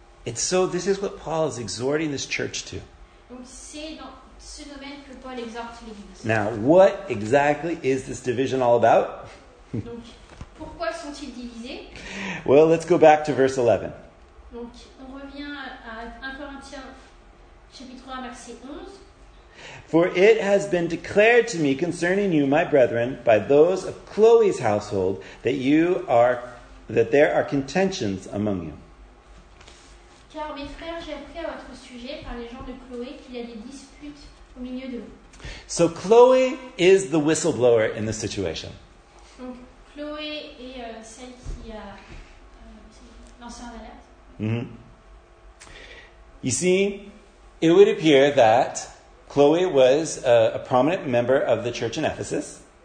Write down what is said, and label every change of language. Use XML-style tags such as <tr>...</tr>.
<en>It's so, this is what Paul is exhorting this church to.</en> <fr>Donc c'est dans ce domaine que Paul exhorte l'église.</fr> <en>Now, what exactly is this division all about?</en> <fr>Donc, pourquoi sont-ils divisés?</fr> <en>Well, let's go back to verse 11.</en> <fr>Donc, on revient à 1 Corinthiens, chapitre 1, verset 11.</fr> <en>For it has been declared to me concerning you, my brethren, by those of Chloe's household, that you are, that there are contentions among you.</en> <fr>Car mes frères, j'ai appris à votre sujet par les gens de Chloé qu'il y a des disputes au milieu de vous.</fr> <en>So Chloe is the whistleblower in this situation.</en> <fr>Donc Chloé est celle qui a lanceur d'alerte. Mm-hmm.</fr> <en>You see, it would appear that Chloe was a prominent member of the church in Ephesus.</en>